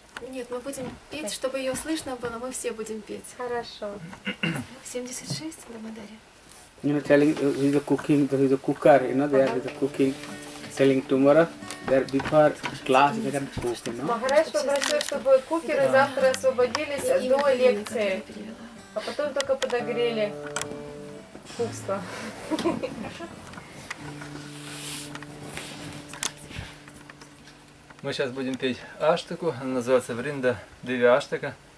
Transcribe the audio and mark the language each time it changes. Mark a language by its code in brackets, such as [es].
[ru] Нет, мы будем петь, чтобы ее слышно было, мы все будем петь. Хорошо. 76, Дамодаре. [en] You know, telling with the cooking, with the cooker, you know, they are with the cooking, telling tomorrow, they are before class, they can cook, you know. [ru] Махарадж попросил, чтобы кукеры завтра освободились до лекции, а потом только подогрели кукство. Мы сейчас будем петь аштаку, она называется Вринда Деви Аштака.